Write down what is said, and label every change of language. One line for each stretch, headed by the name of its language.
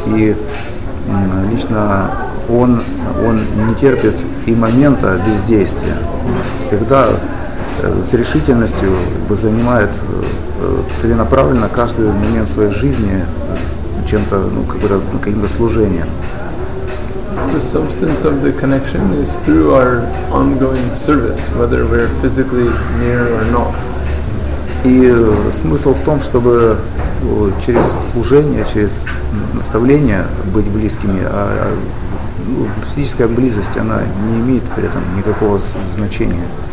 Russian: И лично он не терпит и момента бездействия. Всегда с решительностью занимает целенаправленно каждый момент своей жизни чем-то, каким-то служением.
English: The substance of the connection is through our ongoing service, whether we're physically near or not.
Russian: И смысл в том, чтобы через служение, через наставление быть близкими, а физическая близость, она не имеет при этом никакого значения.